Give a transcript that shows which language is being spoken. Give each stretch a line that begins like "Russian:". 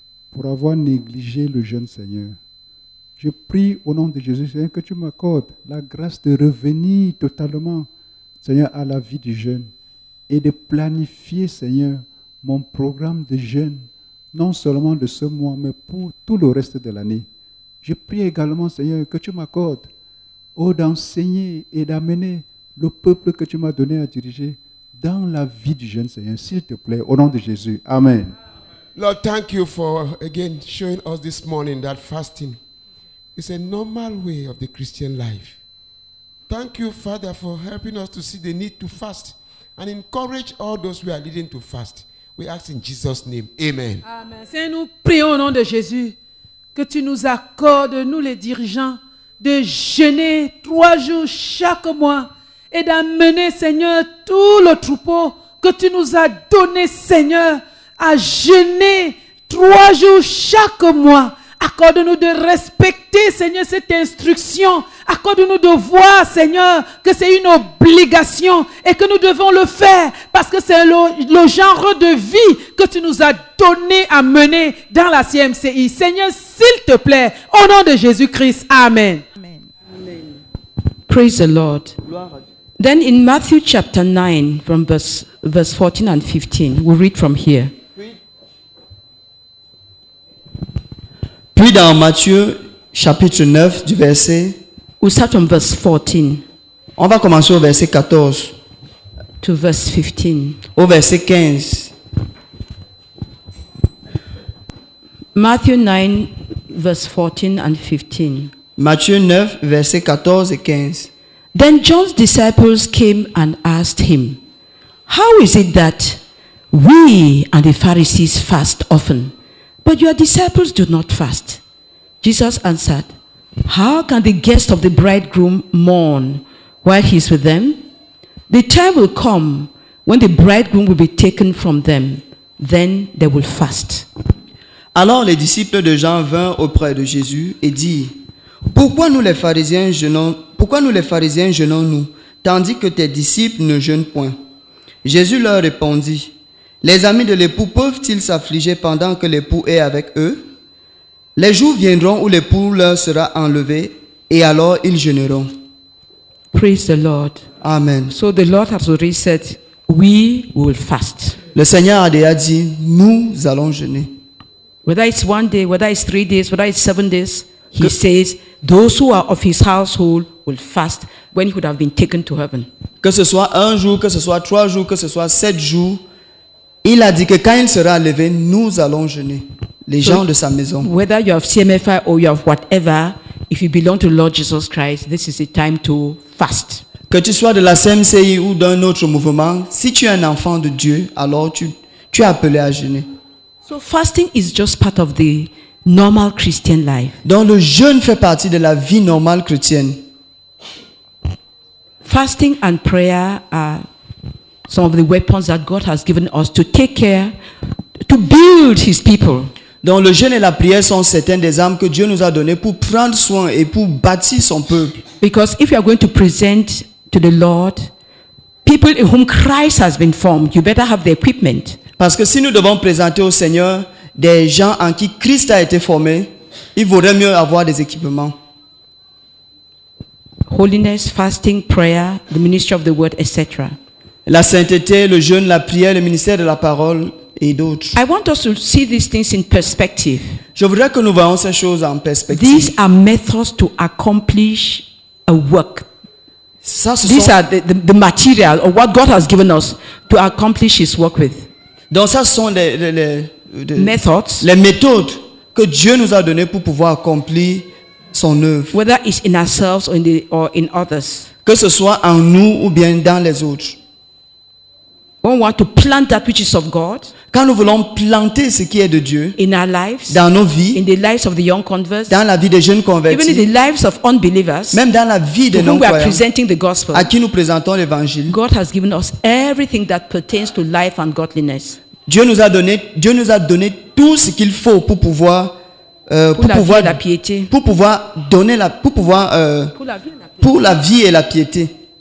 French: pour avoir négligé le jeune Seigneur. Je prie au nom de Jésus, Seigneur, que tu m'accordes la grâce de revenir totalement, Seigneur, à la vie du jeune et de planifier, Seigneur, mon programme de jeûne, non seulement de ce mois, mais pour tout le reste de l'année. Je prie également, Seigneur, que tu m'accordes d'enseigner et d'amener le peuple que tu m'as donné à diriger dans la vie du jeune Seigneur, s'il te plaît, au nom de Jésus. Amen.
English: Lord, thank you for again showing us this morning that fasting is a normal way of the Christian life. Thank you, Father, for helping us to see the need to fast and encourage all those we are leading to fast. We ask in Jesus' name. Amen. Amen.
French: Seigneur, nous prions au nom de Jésus que tu nous accordes, nous les dirigeants, de jeûner 3 jours chaque mois et d'amener, Seigneur, tout le troupeau que tu nous as donné, Seigneur, à jeûner 3 jours chaque mois. Accorde-nous de respecter, Seigneur, cette instruction. Accorde-nous de voir, Seigneur, que c'est une obligation et que nous devons le faire parce que c'est le genre de vie que tu nous as donné à mener dans la CMCI. Seigneur, s'il te plaît, au nom de Jésus-Christ, amen. Amen. Amen.
English: Praise the Lord. Then in Matthew chapter 9, from verse 14 and 15, we'll read from here.
French: Puis dans Matthieu, chapitre 9, du verset...
English: We'll start from verse 14.
French: On va commencer au verset 14.
English: To verse 15.
French: Au verset 15.
English: Matthew 9, verse 14 and 15.
French: Matthieu 9, verset 14 et 15.
English: Then John's disciples came and asked him, how is it that we and the Pharisees fast often, but your disciples do not fast? Jesus answered, how can the guests of the bridegroom mourn while he is with them? The time will come when the bridegroom will be taken from them. Then they will fast.
French: Alors les disciples de Jean vinrent auprès de Jésus et dirent, Pourquoi nous les pharisiens jeûnons-nous, tandis que tes disciples ne jeûnent point? Jésus leur répondit, les amis de l'époux peuvent-ils s'affliger pendant que l'époux est avec eux? Les jours viendront où l'époux leur sera enlevé, et alors ils jeûneront.
English: Praise the Lord. Amen. So the Lord has already said, we will fast.
French: Le Seigneur a déjà dit, nous allons jeûner.
English: Whether it's one day, whether it's 3 days, whether it's 7 days, he says, those who are of his household will fast when he would have been taken to heaven.
French: Que ce soit un jour, que ce soit 3 jours, que ce soit 7 jours, il a dit que quand il sera enlevé, nous allons jeûner. Les gens de sa maison.
English: Whether you have CMFI or you have whatever, if you belong to the Lord Jesus Christ, this is the time to fast.
French: Que tu sois de la CMCI ou d'un autre mouvement, si tu es un enfant de Dieu, alors tu es appelé à jeûner.
English: So fasting is just part of the normal Christian life.
French: Donc le jeûne fait partie de la vie normale chrétienne.
English: Fasting and prayer are some of the weapons that God has given us to take care, to build his people.
French: Donc le jeûne et la prière sont certaines des armes que Dieu nous a données pour prendre soin et pour bâtir son peuple.
English: Because if you are going to present to the Lord people in whom Christ has been formed, you better have the equipment.
French: Parce que si nous devons présenter au Seigneur des gens en qui Christ a été formé, il vaudrait mieux avoir des équipements.
English: Holiness, fasting, prayer, the ministry of the word, etc.
French: La sainteté, le jeûne, la prière, le ministère de la parole. Et d'autres.
English: I want us to see these things in perspective.
French: Je voudrais que nous voyons ces choses en perspective.
English: These are methods to accomplish a work.
French: Ça, ce
English: these
French: sont
English: are the material or what God has given us to accomplish His work with.
French: Donc ça sont les
English: methods.
French: Les méthodes que Dieu nous a données pour pouvoir accomplir son œuvre.
English: Whether it's in ourselves or in others.
French: Que ce soit en nous ou bien dans les autres.
English: When we want to plant that which is of God,
French: quand nous voulons planter ce qui est de Dieu,
English: in our lives,
French: dans nos vies,
English: in the lives of the young converts,
French: dans la vie des jeunes convertis,
English: even in the lives of unbelievers,
French: même dans la vie des non-croyants,
English: to whom we are presenting the gospel,
French: à qui nous présentons l'évangile,
English: God has given us everything that pertains to life and godliness.
French: Dieu nous a donné tout ce qu'il faut pour pouvoir pour la vie et la piété.